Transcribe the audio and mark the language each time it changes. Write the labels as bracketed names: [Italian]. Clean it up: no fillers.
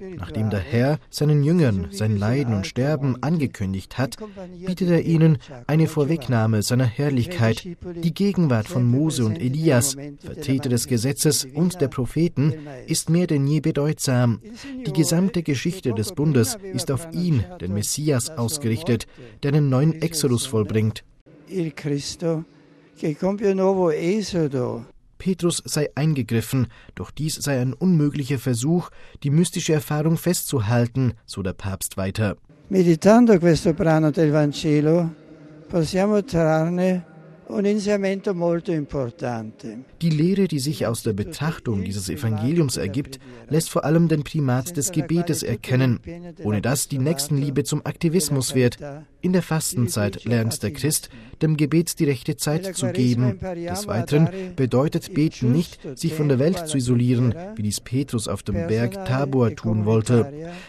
[German] Nachdem der Herr seinen Jüngern sein Leiden und Sterben angekündigt hat, bietet er ihnen eine Vorwegnahme seiner Herrlichkeit, die Gegenwart von Mose und Elias, Vertreter des Gesetzes und der Propheten, ist mehr denn je bedeutsam. Die gesamte Geschichte des Bundes ist auf ihn, den Messias, ausgerichtet, der einen neuen Exodus vollbringt. [Italian] Il Cristo che compie nuovo esodo. [German] Petrus sei eingegriffen, doch dies sei ein unmöglicher Versuch, die mystische Erfahrung festzuhalten, so der Papst weiter. [Italian] Meditando questo brano del Vangelo, possiamo trarne un insegnamento molto importante. [German] Die Lehre, die sich aus der Betrachtung dieses Evangeliums ergibt, lässt vor allem den Primat des Gebetes erkennen, ohne dass die Nächstenliebe zum Aktivismus wird. In der Fastenzeit lernt der Christ, dem Gebet die rechte Zeit zu geben. Des Weiteren bedeutet Beten nicht, sich von der Welt zu isolieren, wie dies Petrus auf dem Berg Tabor tun wollte.